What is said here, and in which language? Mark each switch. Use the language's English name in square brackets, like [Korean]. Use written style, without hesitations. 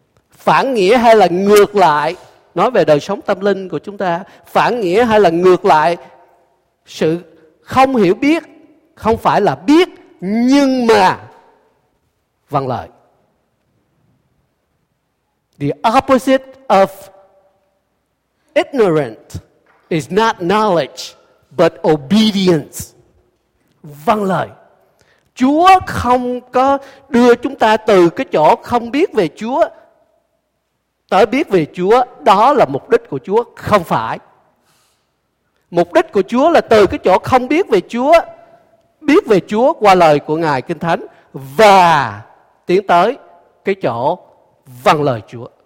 [Vietnamese] Phản nghĩa hay là ngược lại, nói về đời sống tâm linh của chúng ta, phản nghĩa hay là ngược lại, sự không hiểu biết không phải là biết, nhưng mà vâng lời. [English] The opposite of ignorant is not knowledge, but obedience. [Vietnamese] Vâng lời. Chúa không có đưa chúng ta từ cái chỗ không biết về Chúa tới biết về Chúa. Đó là mục đích của Chúa. Không phải. Mục đích của Chúa là từ cái chỗ không biết về Chúa biết về Chúa qua lời của Ngài Kinh Thánh, và tiến tới cái chỗ vâng lời Chúa.